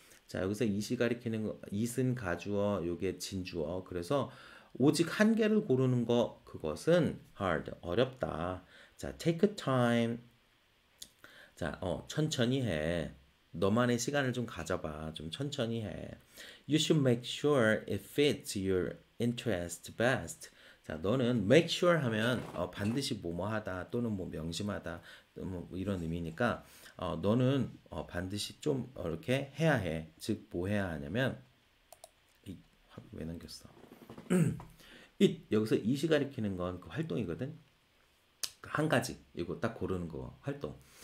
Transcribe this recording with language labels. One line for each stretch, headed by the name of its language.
Korean: 자, 여기서 is 가리키는 거, is은 가주어, 요게 진주어. 그래서 오직 한 개를 고르는 거, 그것은 hard, 어렵다. 자,
English: take a time.
Korean: 자, 천천히 해. 너만의 시간을 좀 가져봐. 좀 천천히 해.
English: You should make sure it fits your interest best.
Korean: 자, 너는 make sure 하면 반드시 뭐뭐하다 또는 뭐 명심하다 또뭐 이런 의미니까 너는 반드시 좀 이렇게 해야 해. 즉, 뭐 해야 하냐면 이, 확왜 넘겼어? It, 여기서 이시 가리키는 건그 활동이거든. 한 가지 이거 딱 고르는 거 활동.